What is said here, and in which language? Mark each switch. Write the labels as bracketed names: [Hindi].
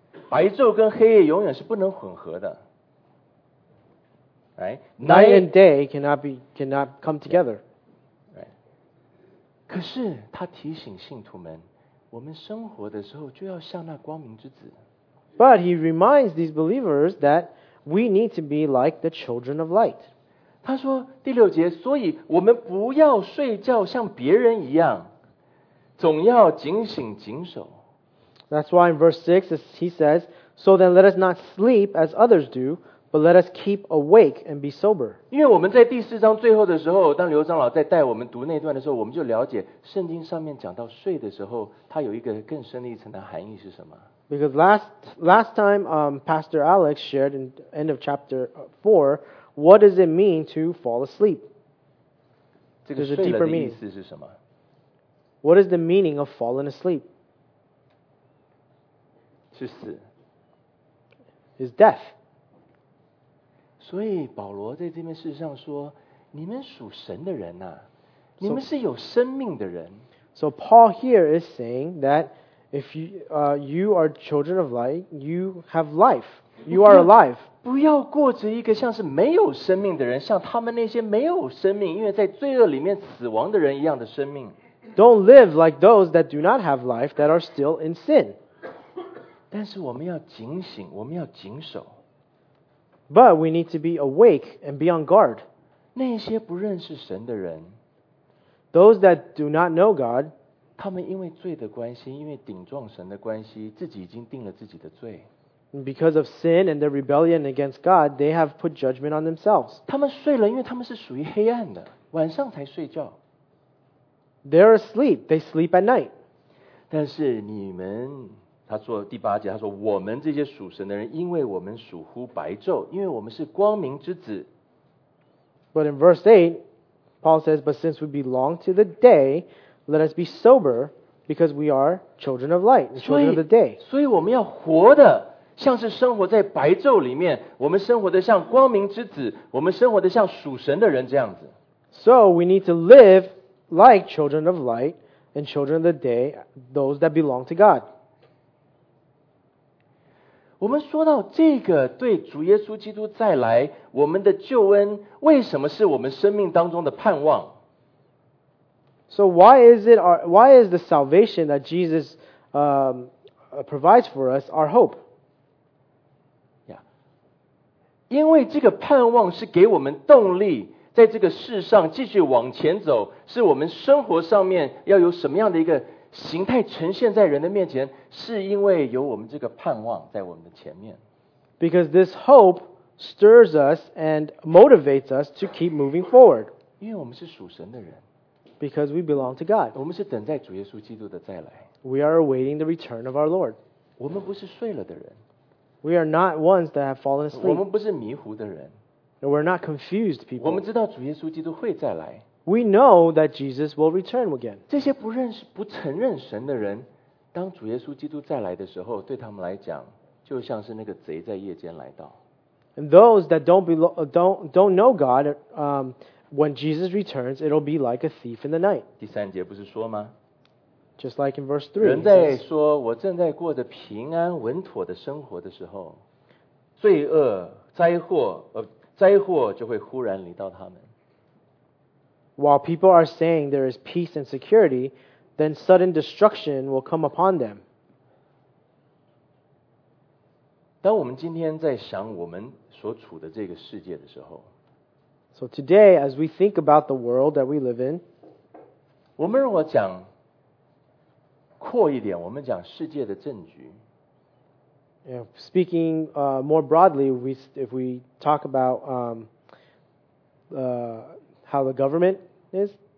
[Chinese] 白昼跟黑夜永远是不能混合的。 [English] Right? Night and day cannot come together. Right. [Chinese] 可是他提醒信徒们，我们生活的时候就要像那光明之子。 [English] But he reminds these believers that we need to be like the children of light. [Chinese] 他说第六节，所以我们不要睡觉像别人一样，总要警醒警守。 [English] That's why in verse 6 he says, So then let us not sleep as others do, But let us keep awake and be sober. [Chinese] 因为我们在第四章最后的时候，当刘长老在带我们读那段的时候，我们就了解圣经上面讲到睡的时候，它有一个更深的一层的含义是什么。 [English] Because last time, Pastor Alex shared in end of chapter 4, what does it mean to fall asleep? [Chinese] 这个睡了的意思是什么？ [English] What is the meaning of falling asleep? [Chinese] 是死。 [English] Is death. [Chinese] 所以保罗在这边事实上说，你们属神的人啊，你们是有生命的人。 [English] So Paul here is saying that if you are children of light, you have life. You are alive. [Chinese] 不要过着一个像是没有生命的人，像他们那些没有生命，因为在罪恶里面死亡的人一样的生命。 [English] Don't live like those that do not have life, that are still in sin. [Chinese] 但是我们要警醒，我们要谨守。 [English] But we need to be awake and be on guard. [Chinese] 那些不认识神的人， [English] Those that do not know God, [Chinese] 他们因为罪的关系，因为顶撞神的关系，自己已经定了自己的罪。 [English] Because of sin and their rebellion against God, they have put judgment on themselves. [Chinese] 他们睡了，因为他们是属于黑暗的，晚上才睡觉。 [English] They're asleep. They sleep at night. [Chinese] 但是你们他说第八节，他说我们这些属神的人，因为我们属乎白昼，因为我们是光明之子。 [English] But in verse 8, Paul says, But since we belong to the day, let us be sober, because we are children of light, children of the day. [Chinese] 所以我们要活的像是生活在白昼里面，我们生活的像光明之子，我们生活的像属神的人这样子。 [English] So we need to live like children of light and children of the day, those that belong to God. [Chinese] 我们说到这个对主耶稣基督再来我们的救恩为什么是我们生命当中的盼望 [English] So why is the salvation that Jesus provides for us our hope? Yeah. [Chinese] 因为这个盼望是给我们动力在这个世上继续往前走是我们生活上面要有什么样的一个形态呈现在人的面前，是因为有我们这个盼望在我们的前面。 [English] Because this hope stirs us and motivates us to keep moving forward. [Chinese] 因为我们是属神的人。 [English] Because we belong to God. [Chinese] 我们是等待主耶稣基督的再来。 [English] We are awaiting the return of our Lord. [Chinese] 我们不是睡了的人。 [English] We are not ones that have fallen asleep. [Chinese] 我们不是迷糊的人。 [English] We're not confused people. [Chinese] 我们知道主耶稣基督会再来。 [English] We know that Jesus will return again. [Chinese] 这些不认识、不承认神的人，当主耶稣基督再来的时候，对他们来讲，就像是那个贼在夜间来到。 [English] And those that don't know God, when Jesus returns, it'll be like a thief in the night. [Chinese] 第三节不是说吗？ [English] Just like in verse 3. [Chinese] 人在说我正在过着平安稳妥的生活的时候，罪恶、灾祸就会忽然临到他们。 [English] While people are saying there is peace and security, then sudden destruction will come upon them. [Chinese] 当我们今天在想我们所处的这个世界的时候， [English] So today, as we think about the world that we live in, [Chinese] 我们如果讲阔一点，我们讲世界的政局。 [English] Speaking more broadly, if we talk about how the government is,